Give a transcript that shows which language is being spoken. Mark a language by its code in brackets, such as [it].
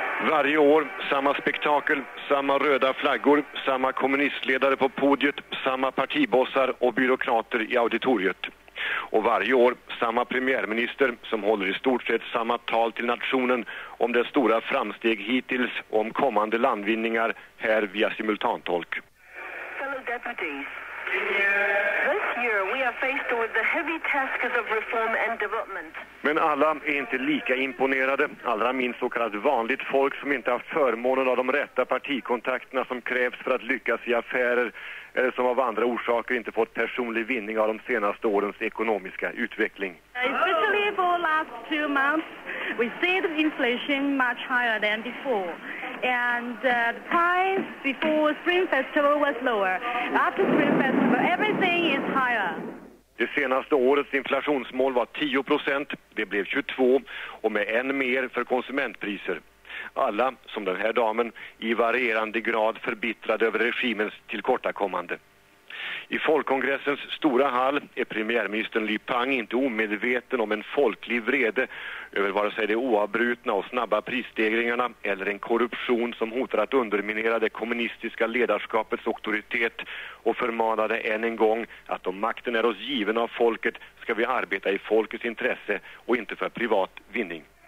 [sv] Varje år, samma spektakel, samma röda flaggor, samma kommunistledare på podiet, samma partibossar och byråkrater i auditoriet. Och varje år, samma premiärminister som håller i stort sett samma tal till nationen om det stora framsteg hittills och om kommande landvinningar här via simultantolk. [en] Fellow deputies, this year we are faced with the heavy tasks of reform and development. [sv] Men alla är inte lika imponerade, allra minst så kallat vanligt folk som inte haft förmånen av de rätta partikontakterna som krävs för att lyckas i affärer eller som av andra orsaker inte fått personlig vinning av de senaste årens ekonomiska utveckling. [en] Especially for last 2 months, we see the inflation much higher than before. And the price before Spring Festival was lower. After Spring Festival, everything is higher. [sv] Det senaste årets inflationsmål var 10%, det blev 22 och med än mer för konsumentpriser. Alla, som den här damen, i varierande grad förbittrade över regimens tillkortakommande. I folkkongressens stora hall är premiärministern Li Peng inte omedveten om en folklig vrede över vare sig de oavbrutna och snabba prisstegringarna eller en korruption som hotar att underminera det kommunistiska ledarskapets auktoritet och förmanade än en gång att om makten är oss given av folket ska vi arbeta i folkets intresse och inte för privat vinning.